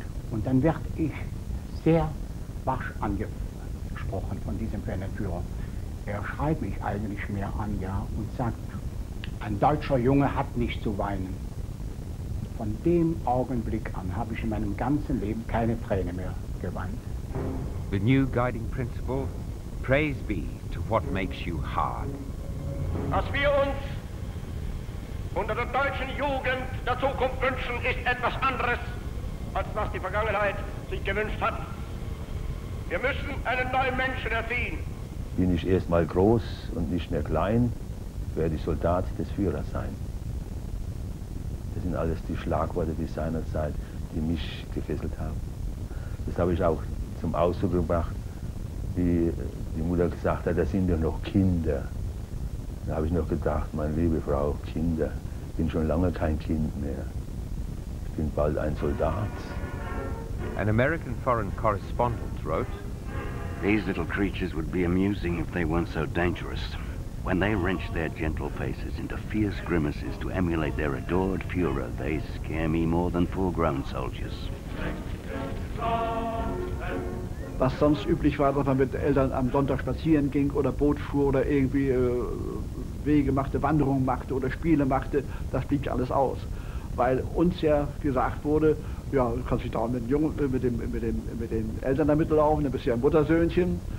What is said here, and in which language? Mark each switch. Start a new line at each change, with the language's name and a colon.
German: Und dann werde ich sehr barsch angesprochen von diesem Fähnenführer. Er schreit mich eigentlich mehr an, ja, und sagt, ein deutscher Junge hat nicht zu weinen. Von dem Augenblick an habe ich in meinem ganzen Leben keine Träne mehr geweint.
English: The new guiding principle, praise be to what makes you hard.
German: Was wir uns unter der deutschen Jugend der Zukunft wünschen, ist etwas anderes, als was die Vergangenheit sich gewünscht hat. Wir müssen einen neuen Menschen erziehen. Bin ich erstmal groß und nicht mehr klein, werde ich Soldat des Führers sein. Das sind alles die Schlagworte, die seinerzeit, die mich gefesselt haben. Das habe ich auch zum Ausdruck gebracht, wie die Mutter gesagt hat, das sind ja noch Kinder. Da habe ich noch gedacht, meine liebe Frau, Kinder, ich bin schon lange kein Kind mehr. Ich bin bald ein Soldat.
English: An American foreign correspondent wrote, these little creatures would be amusing if they weren't so dangerous. When they wrench their gentle faces into fierce grimaces to emulate their adored Führer, they scare me more than full-grown soldiers.
German: Was sonst üblich war, dass man mit Eltern am Sonntag spazieren ging oder Boot fuhr oder irgendwie Wege machte, Wanderungen machte oder Spiele machte, das blieb alles aus. Weil uns ja gesagt wurde, ja, du kannst dich da mit den Eltern damit laufen, dann bist du ja ein Muttersöhnchen.